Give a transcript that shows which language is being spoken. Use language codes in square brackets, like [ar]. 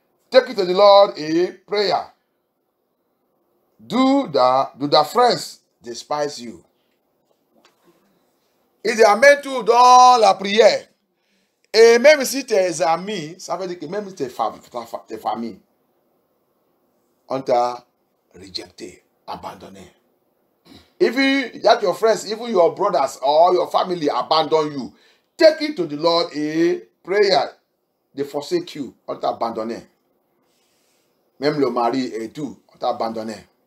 [en] Take it to the Lord in prayer. Do the friends despise you? [fr] Il dit, amène tout dans la prière. Et même si tes amis, ça veut dire que même tes familles, tes familles ont t'a rejeté, abandonné. [en] Even that your friends, even your brothers or your family abandon you, take it to the Lord in prayer. They forsake you, [fr] on t'a abandonné. Même le mari et tout, on t'a abandonné.